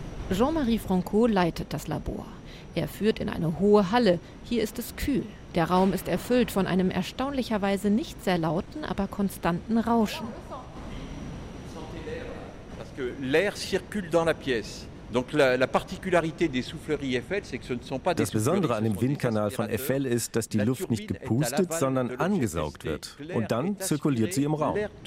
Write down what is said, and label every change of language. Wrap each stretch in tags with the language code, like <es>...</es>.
<de>Jean-Marie Franco leitet das Labor. Er führt in eine hohe Halle. Hier ist es kühl. Der Raum ist erfüllt von einem erstaunlicherweise nicht sehr lauten, aber konstanten Rauschen.</de> <fr>Parce que l'air circule dans la pièce.</fr> <de>Das Besondere an dem Windkanal von Eiffel ist, dass die Luft nicht gepustet, sondern angesaugt wird. Und dann zirkuliert sie im Raum.</de>